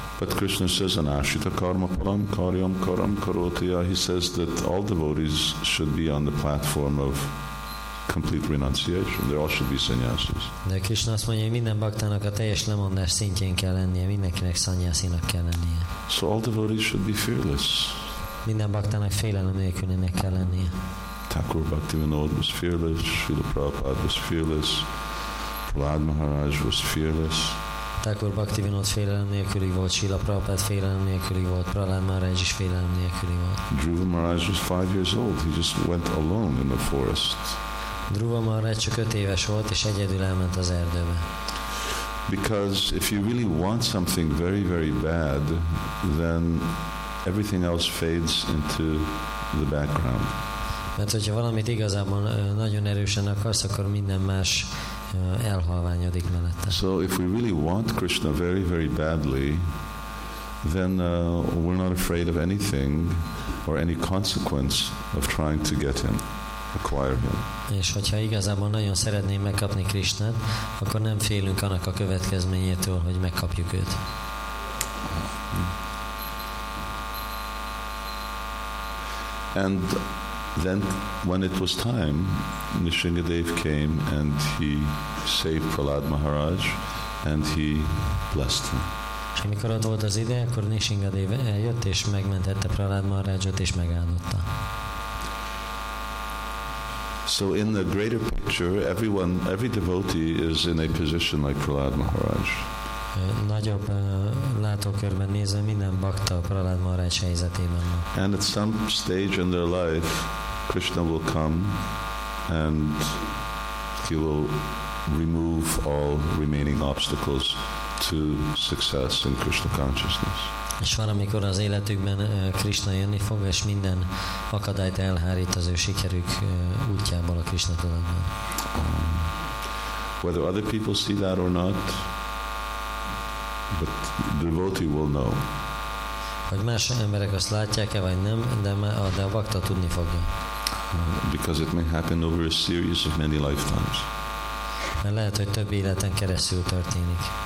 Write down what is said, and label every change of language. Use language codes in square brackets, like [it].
[en] But Krishna says, [sa] anashita karma palam karyam karam karotiya. [en] He says that all devotees should be on the platform of complete renunciation. They all should be sannyasis. [hu] De Krishna azt mondja, hogy minden baktának a teljes lemondás szintjén kell lennie, mindenkinek szanyászinak kell lennie. [en] So all devotees should be fearless. [hu] Minden baktának félelem nélkülinek kell lennie. [en] Thakur Bhaktivinoda was fearless, Srila Prabhupada was fearless, Prahlad Maharaj was fearless. [hu] Thakur Bhaktivinoda félelem nélküli volt, Srila Prabhupada félelem nélküli volt, Prahlad Maharaj is félelem nélküli volt. [en] Dhruva Maharaj was 5 years old, he just went alone in the forest. [hu] Dhruva Maharaj csak 5 éves volt, és egyedül elment az erdőbe. [en] Because if you really want something very, very bad, then everything else fades into the background. [hu] Mert hogyha valamit igazából nagyon erősen akarsz, akkor minden más elhalványodik mellette. [en] So if we really want Krishna very, very badly, then we're not afraid of anything or any consequence of trying to get him, acquire him. [hu] És hogyha igazából nagyon szeretném megkapni Krishnát, akkor nem félünk annak a következményétől, hogy megkapjuk őt. [en] And then when it was time, Nrisimhadev came and he saved Prahlad Maharaj and he blessed him. [hu] És amikor ott volt az ideje, akkor Nrisimhadev eljött és megmentette Prahlad Maharajot és megáldotta. [en] So in the greater picture, every devotee is in a position like Prahlad Maharaj. [hu] Nagyobb látókörben nézve minden bakta Prahlad Maharaj helyzetében. [en] And at some stage in their life, Krishna will come and he will remove all remaining obstacles to success in Krishna consciousness. [hu] És valamikor az életükben Krishna jönni fog, és minden akadályt elhárít az ő sikerük útjából a Krishna tudatban. [en] Whether other people see that or not, but the devotee will know. [hu] Hogy más emberek azt látják-e vagy nem, de a bakta tudni fogja. [en] Because it may happen over a series of many lifetimes. [hu] Lehet, hogy több életen keresztül történik.